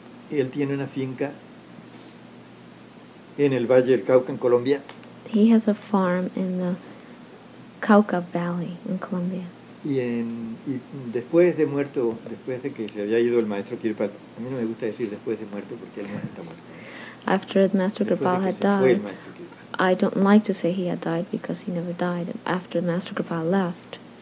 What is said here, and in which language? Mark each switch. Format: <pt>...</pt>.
<es>Él tiene una finca en el Valle del Cauca, en Colombia.</es> <en>He has a farm in the Cauca Valley, in Colombia.</en> <es>Y después de muerto, después de que se había ido el maestro Kirpal, a mí no me gusta decir después de muerto porque él no está muerto.</es> <en>After the Master Kripal had died, I don't like to say he had died because he never died. After the Master Kripal left.</en>